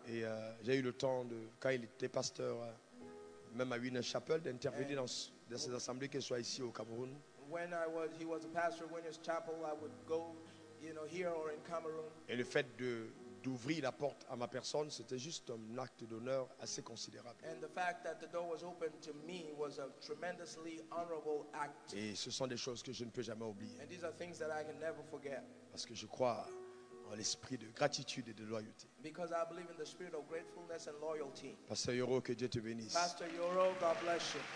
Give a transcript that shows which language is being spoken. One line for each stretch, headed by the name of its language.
French: Et j'ai eu le temps, de, quand il était pasteur, même à Winner Chapel, d'intervenir dans, dans ces assemblées, qu'elles soient ici au Cameroun.
English: When I was, he was a pastor of Winner's Chapel, I would go, you know, here or in Cameroon.
French: Et le fait de, d'ouvrir la porte à ma personne, c'était juste un acte d'honneur assez considérable.
English: And the fact that the door was open to me was a tremendously honorable act.
French: Et ce sont des choses que je ne peux jamais oublier.
English: And these are things that I can never forget.
French: Parce que je crois en l'esprit de gratitude et de loyauté.
English: Because I believe in the spirit of gratefulness and loyalty.
French: Pasteur Yoro, que Dieu te bénisse.
English: Pastor Yoro, God bless you.